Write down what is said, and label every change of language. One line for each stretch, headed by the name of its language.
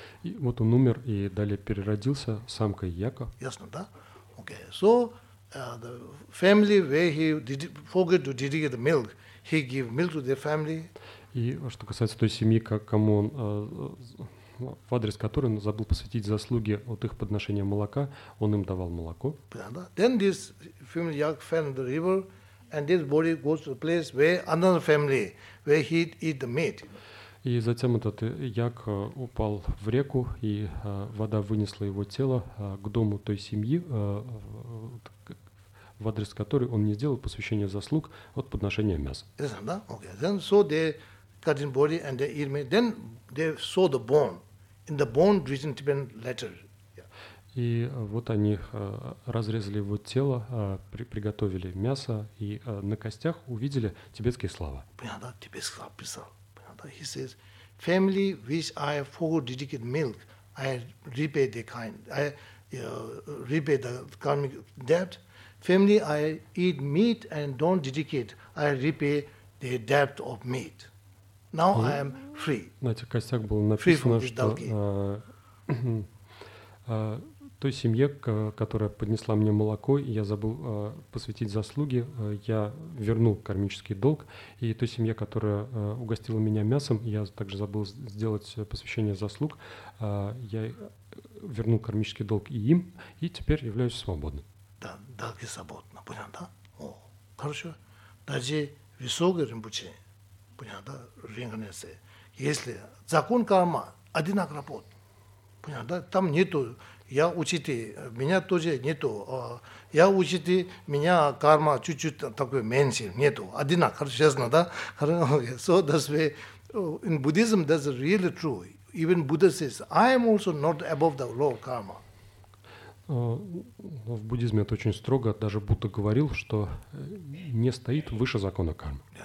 Russian: И вот он умер и далее переродился самкой яка. Ясно, да? Okay.
English: So the family where he did forget to dedicate the milk, he give milk to their family.
Russian: И что касается той семьи, кому он в адрес которой он забыл посвятить заслуги от их подношения молока, он им давал молоко.
English: Then this female yak fell in the river, and this body goes to the place where another family, where he eat the meat.
Russian: И затем этот як упал в реку, и вода вынесла его тело к дому той семьи, в адрес которой он не сделал посвящение заслуг от подношения мяса.
English: Okay. Then so they cut his body and they eat meat. Then they saw the bone. In the bone written Tibetan letter. Yeah.
Russian: И вот они разрезали его тело, приготовили мясо и на костях увидели тибетские слова. Понятно, тибетские слова писал. Понятно.
English: He says, family which I forgot dedicate milk, I repay the kind, I repay the karmic debt. Family I eat meat and don't dedicate, I repay the debt of meat. Now I am free.
Russian: На этих костях было написано, что той семье, которая поднесла мне молоко, я забыл посвятить заслуги, я вернул кармический долг. И той семье, которая угостила меня мясом, я также забыл сделать посвящение заслуг, я вернул кармический долг и им, и теперь являюсь свободным. Да, долги свободны. Понятно, да? О, хорошо. Даже высокое римбуче. Понятно, да, реинкарнация. Если закон карма одинаково работает, понятно, да, там нету, я учитель, меня тоже нету, я учитель, меня карма чуть-чуть такой меньше, нету, одинаково, честно, да.
English: So that's why in Buddhism that's really true. Even Buddha says, I am also not above the law of karma.
Russian: В буддизме это очень строго. Даже Будда говорил, что не стоит выше закона кармы.